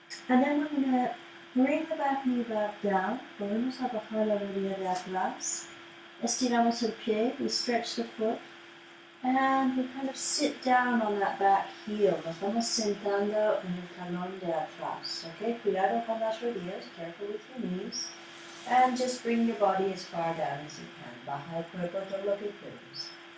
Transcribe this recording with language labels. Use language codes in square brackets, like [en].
[en] And then we're going to bring the back knee back down. [es] Volvemos a bajar la rodilla de atrás. Estiramos el pie. [en] We stretch the foot. And we kind of sit down on that back heel. [es] Nos vamos sentando en el talón de atrás. [en] Okay? [es] Cuidado con las rodillas. [en] Careful with your knees. And just bring your body as far down as you can. [es] Baja el cuerpo todo lo que puedes.